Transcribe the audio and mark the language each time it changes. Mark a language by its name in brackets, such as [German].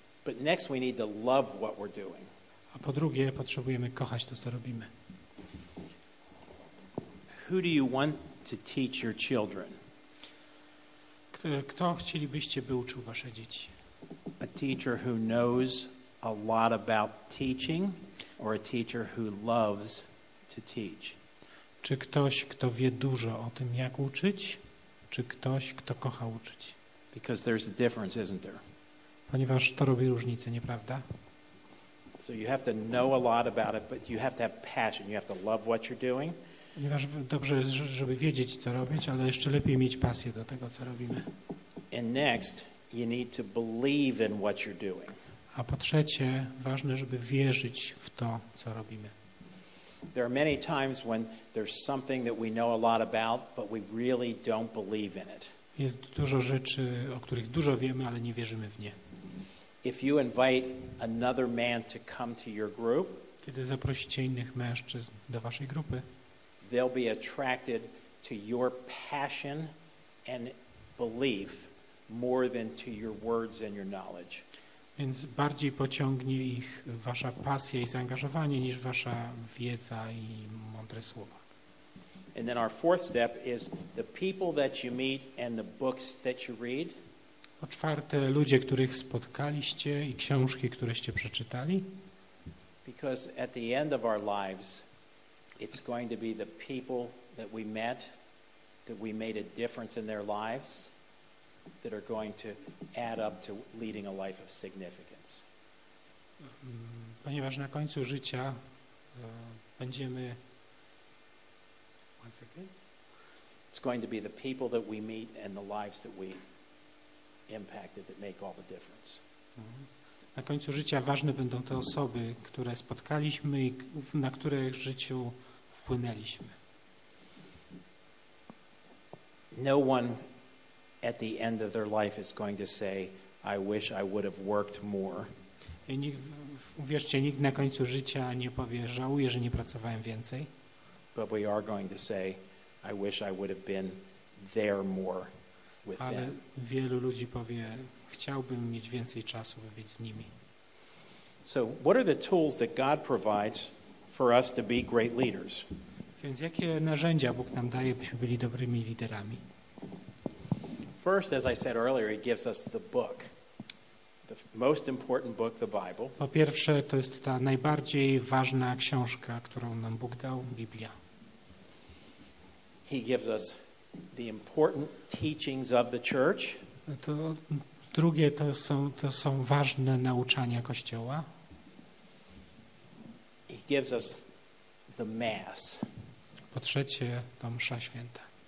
[English] But next we need to love what we're doing. [Polish] A po drugie, potrzebujemy kochać to, co robimy. [English] Who do you want to teach your children? [Polish] Kto chcielibyście, by uczył wasze dzieci? [English] A teacher who knows a lot about teaching, or a teacher who loves to teach? [Polish] Czy ktoś, kto wie dużo o tym, jak uczyć, czy ktoś, kto kocha uczyć? [English] Because there's a difference, isn't there? [Polish] Ponieważ to robi różnicę, nieprawda? [English] So you have to know a lot about it, but you have to have passion. You have to love what you're doing. [Polish] Ponieważ dobrze jest, żeby wiedzieć, co robić, ale jeszcze lepiej mieć pasję do tego, co robimy. [English] And next, you need to believe in what you're doing. [Polish] A po trzecie, ważne, żeby wierzyć w to, co robimy. [English] There are many times when there's something that we know a lot about, but we really don't believe in it. [Polish] Jest dużo rzeczy, o których dużo wiemy, ale nie wierzymy w nie. [English] If you invite another man to come to your group, [Polish] kiedy zaprosicie innych mężczyzn do waszej grupy, [English] they'll be attracted to your passion and belief more than to your words and your knowledge. [Polish] Więc bardziej pociągnie ich wasza pasja i zaangażowanie niż wasza wiedza i mądre słowa. [English] And then our fourth step is the people that you meet and the books that you read. [Polish] Po czwarte, ludzie, których spotkaliście i książki, któreście przeczytali. [English] Because at the end of our lives, it's going to be the people that we met, that we made a difference in their lives, that are going to add up to leading a life of significance. [Polish] Ponieważ na końcu życia będziemy... [English] One second. It's going to be the people that we meet and the lives that we impacted that make all the difference. [Polish] Na końcu życia ważne będą te osoby, które spotkaliśmy i na których życiu wpłynęliśmy. [English] No one at the end of their life is going to say, I wish I would have worked more. [Polish] I nikt, uwierzcie, nikt na końcu życia nie powie, żałuję, że nie pracowałem więcej. [English] But we are going to say, I wish I would have been there more with [Polish] Ale [English] them. [Polish] Wielu ludzi powie, chciałbym mieć więcej czasu, by być z nimi. [English] So what are the tools that God provides for us to be great leaders? [Polish] Więc jakie narzędzia Bóg nam daje, byśmy byli dobrymi liderami? [English] First, as I said earlier, it gives us the book, the most important book, the Bible. [Polish] Po pierwsze, to jest ta najbardziej ważna książka, którą nam Bóg dał, Biblia. [English] He gives us the important teachings of the church. [Polish] To drugie, to są ważne nauczania Kościoła. [English] He gives us the mass. [Polish] Po trzecie, to msza święta.